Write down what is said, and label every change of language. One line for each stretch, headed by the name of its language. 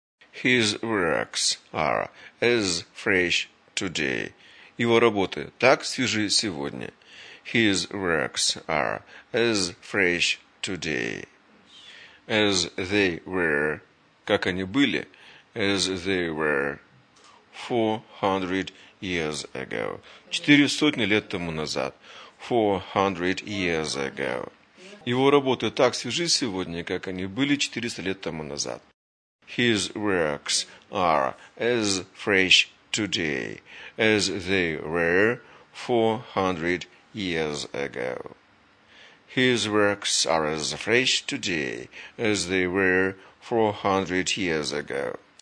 English: His works are as fresh today.
Russian: Его работы так свежи сегодня.
English: His works are as fresh today. As they were,
Russian: как они были,
English: as they were 400 years ago.
Russian: 400 лет тому назад.
English: 400 years ago.
Russian: Его работы так свежи сегодня, как они были 400 лет тому назад.
English: His works are as fresh today as they were 400 years ago. His works are as fresh today as they were 400 years ago.